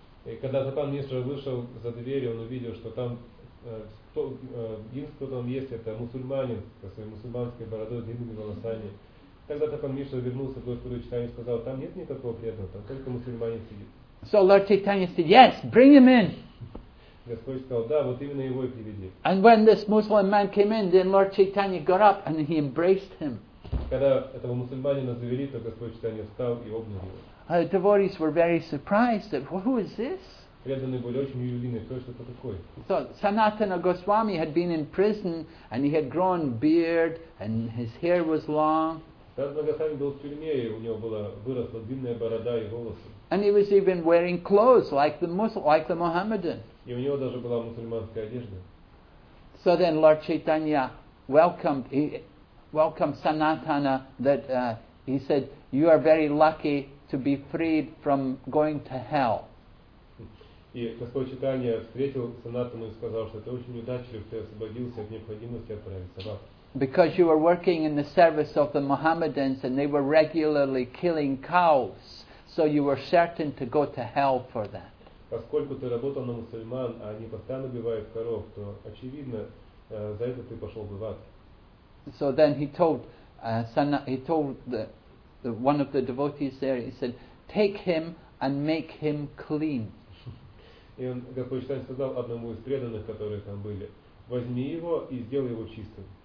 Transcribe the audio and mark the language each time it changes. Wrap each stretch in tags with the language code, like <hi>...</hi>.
<ru>И когда Тапан Мишра вышел за дверь, он увидел, что там кто там есть, это мусульманин со своей мусульманской бородой, длинными волосами. Тогда Тапан Мишра вернулся к Господу Чайтанье и сказал, там нет никакого преданного, там только мусульманин сидит.</ru> <en>So Lord Chaitanya said, yes, bring him in.</en> <ru>Господь сказал, да, вот именно его и приведи.</ru> <en>And when this Muslim man came in, then Lord Chaitanya got up and he embraced him.</en> <ru>Когда этого мусульманина завели, то Господь Чайтанья встал и обнял его.</ru> <en>The devotees were very surprised at who is this?</en> <ru>Преданные были очень удивлены, кто же это такой?</ru> <en>So Sanatana Goswami had been in prison and he had grown beard and his hair was long.</en> <ru>Sanatana Goswami был в тюрьме, и у него была выросла длинная борода и волосы.</ru> <en>And he was even wearing clothes like the Mohammedan.</en> <ru>И у него даже была мусульманская одежда.</ru> <en>So then Lord Chaitanya welcomed Sanatana that he said, you are very lucky to be freed from going to hell.</en> <ru>И Господь Чайтанья встретил Санатану и сказал, что ты очень удачлив, ты освободился от необходимости отправиться в ад.</ru> <en>Because you were working in the service of the Mohammedans and they were regularly killing cows, so you were certain to go to hell for that.</en> <ru>Поскольку ты работал на мусульман, а они постоянно убивают коров, то очевидно, за это ты пошел бы в ад.</ru> <en>So then he told one of the devotees there, he said, take him and make him clean.</en> <ru>И он, Господь Чайтанья сказал одному из преданных, которые там были, возьми его и сделай его чистым.</ru>